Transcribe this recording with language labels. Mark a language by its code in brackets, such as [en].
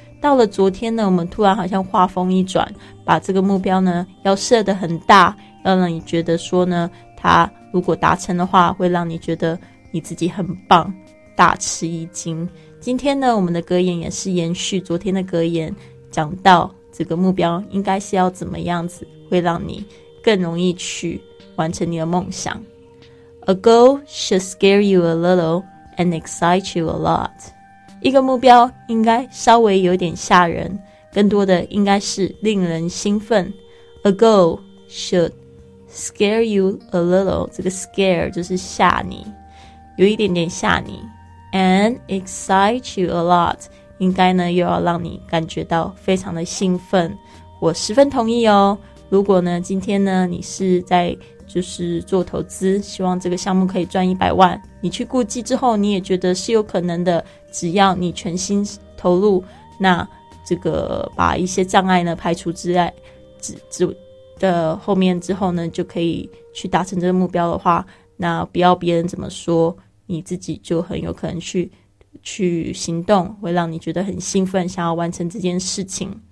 [zh] 到了昨天呢，我们突然好像话锋一转，把这个目标呢要设得很大，要让你觉得说呢，它如果达成的话会让你觉得你自己很棒，大吃一惊。今天呢，我们的格言也是延续昨天的格言，讲到这个目标应该是要怎么样子会让你更容易去完成你的梦想。 [en] A goal should scare you a little and excite you a lot. [zh] 一个目标应该稍微有点吓人，更多的应该是令人兴奋。 [en] A goal should scare you a little， [zh] 这个 scare 就是吓你，有一点点吓你。 [en] And excite you a lot， [zh] 应该呢又要让你感觉到非常的兴奋。我十分同意哦。如果呢今天呢你是在就是做投资，希望这个项目可以赚100万，你去估计之后你也觉得是有可能的，只要你全心投入，那这个把一些障碍呢排除之外的后面之后呢，就可以去达成这个目标的话，那不要别人怎么说，你自己就很有可能去行动，会让你觉得很兴奋，想要完成这件事情。